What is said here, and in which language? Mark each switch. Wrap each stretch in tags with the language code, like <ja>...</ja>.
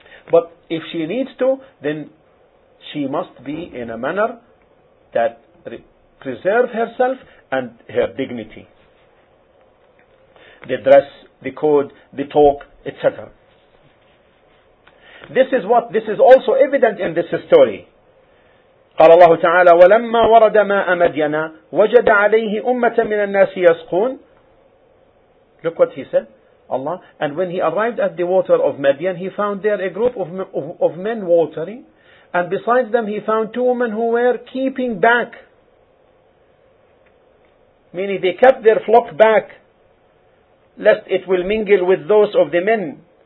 <en>But if she needs to, then she must be in a manner that preserve herself and her dignity. The dress, the code, the talk, etc. This is also evident in this story.</en> <ar>قال الله تعالى ولما ورد ماء مدين وجد عليه أمة من الناس يسقون.</ar> <en>Look what he said. Allah, and when he arrived at the water of Madian, he found there a group of men watering, and besides them he found two women who were keeping back, meaning they kept their flock back, lest it will mingle with those of the men.</en>